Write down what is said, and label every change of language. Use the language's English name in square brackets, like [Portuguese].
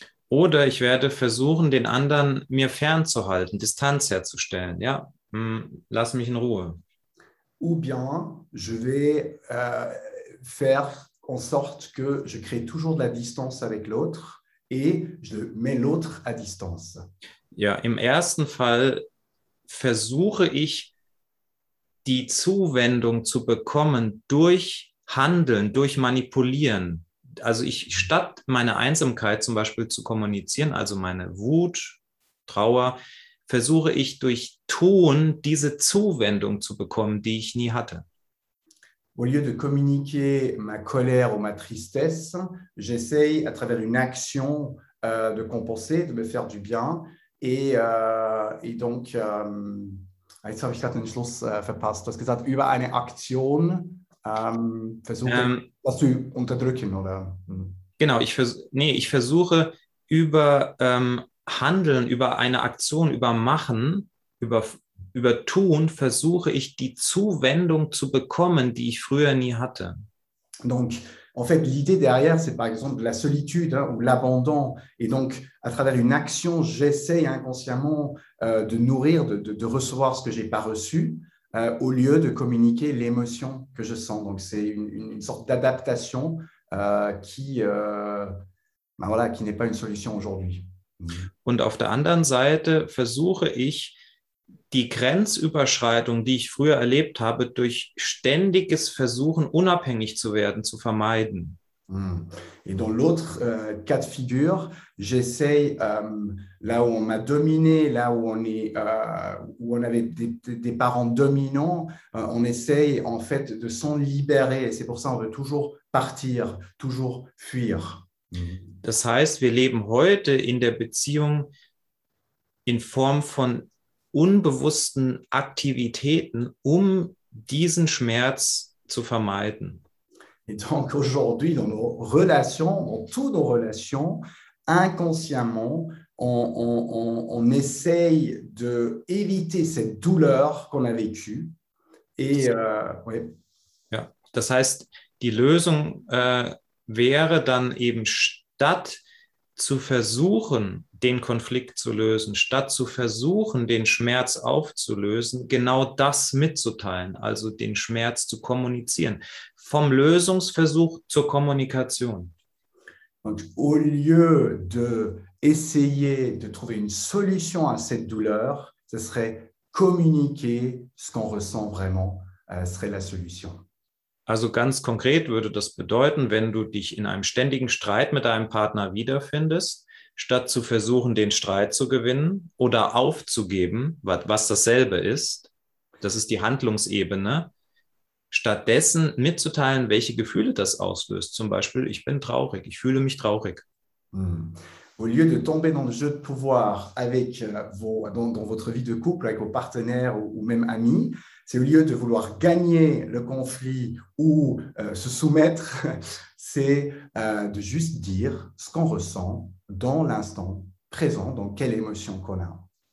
[German] Oder ich werde versuchen, den anderen mir fernzuhalten, Distanz herzustellen. Ja, lass mich in Ruhe. [French] Ou bien, je vais faire en sorte que je crée toujours de la distance avec l'autre et je mets l'autre à distance. [German] Ja, im ersten Fall versuche ich, die Zuwendung zu bekommen durch Handeln, durch Manipulieren. Also ich, statt meine Einsamkeit zum Beispiel zu kommunizieren, also meine Wut, Trauer, versuche ich durch Tun diese Zuwendung zu bekommen, die ich nie hatte. [French] Au lieu de communiquer ma colère ou ma tristesse, j'essaye à travers une action de compenser, de me faire du bien. Et donc, [German] jetzt habe ich gerade den Schluss verpasst. Du hast gesagt, über eine Aktion versuche was zu unterdrücken, oder? Genau, ich versuche über Handeln, über eine Aktion, über Machen, über Tun, versuche ich die Zuwendung zu bekommen, die ich früher nie hatte. [French] Donc, en fait, l'idée derrière, c'est par exemple la solitude hein, ou l'abandon. Et donc, à travers une action, j'essaye inconsciemment de nourrir, de recevoir ce que je n'ai pas reçu, au lieu de communiquer l'émotion que je sens. Donc, c'est une sorte d'adaptation qui n'est pas une solution aujourd'hui. [German] Und auf der anderen Seite versuche ich, die Grenzüberschreitung, die ich früher erlebt habe, durch ständiges Versuchen, unabhängig zu werden, zu vermeiden. [French] Et dans l'autre cas de figure, j'essaye là où on m'a dominé, là où on est, où on avait des parents dominants, on essaye en fait de s'en libérer. Et c'est pour ça qu'on veut toujours partir, toujours fuir. [German] Das heißt, wir leben heute in der Beziehung in Form von unbewussten Aktivitäten, um diesen Schmerz zu vermeiden. [French] Et donc aujourd'hui, dans nos relations, dans toutes nos relations, inconsciemment, on essaye d'éviter cette douleur qu'on a vécue. Et, oui. [German] Ja, das heißt, die Lösung wäre dann eben, statt zu versuchen, den Konflikt zu lösen, statt zu versuchen, den Schmerz aufzulösen, genau das mitzuteilen, also den Schmerz zu kommunizieren. Vom Lösungsversuch zur Kommunikation. [French] Und au lieu de essayer de trouver une solution à cette douleur, ce serait communiquer ce qu'on ressent vraiment, serait la solution. [German] Also ganz konkret würde das bedeuten, wenn du dich in einem ständigen Streit mit deinem Partner wiederfindest, statt zu versuchen, den Streit zu gewinnen oder aufzugeben, was dasselbe ist, das ist die Handlungsebene, stattdessen mitzuteilen, welche Gefühle das auslöst. Zum Beispiel, ich bin traurig, ich fühle mich traurig. [French] Au lieu de tomber dans le jeu de pouvoir avec dans votre vie de couple, avec vos partenaires ou même amis, c'est au lieu de vouloir gagner le conflit ou se soumettre, c'est de juste dire ce qu'on ressent dans l'instant présent, dans quelle émotion qu'on a.